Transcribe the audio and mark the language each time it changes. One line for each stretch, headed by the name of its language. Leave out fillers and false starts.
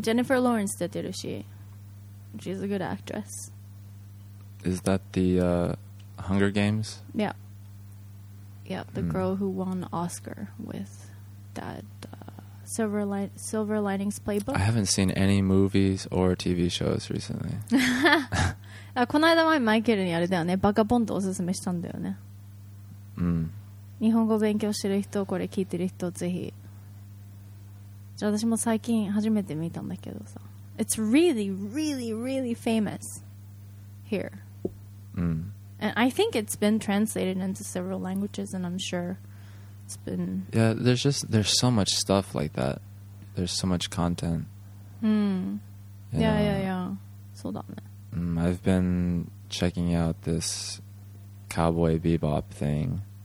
English: Jennifer Lawrence
Japanese: 出てるし
English: She's a good actress. Is that the Hunger Games? Yeah, the girl who won Oscar with that Silver Linings Playbook. I haven't seen any movies or TV shows recently.
Japanese: この間前マイケルにあれだよね、バカボンドおすすめしたんだよね。日本語勉強してる人、これ聞いてる人、ぜひ。じゃあ私も最近初めて見たんだけどさ。
English: It's really, really, really famous here. And I think it's been translated into several languages, and I'm sure it's been... Yeah, there's so much stuff like that. There's so much content. I've been checking out this Cowboy Bebop thing.